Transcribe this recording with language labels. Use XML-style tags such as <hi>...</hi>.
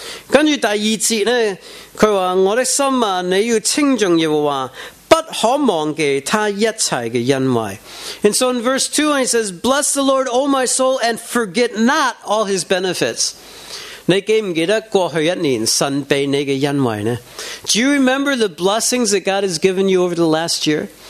<zh>跟着第二节呢,他说,我的心啊,你要称颂耶和华, 不可忘记他一切的恩惠。</zh> <en>And so in verse 2, he says, Bless the Lord, O my soul, and forget not all his benefits.</en> <zh>你记不记得过去一年神给你的恩惠呢?</zh> <en>Do you remember the blessings that God has given you over the last year?</en>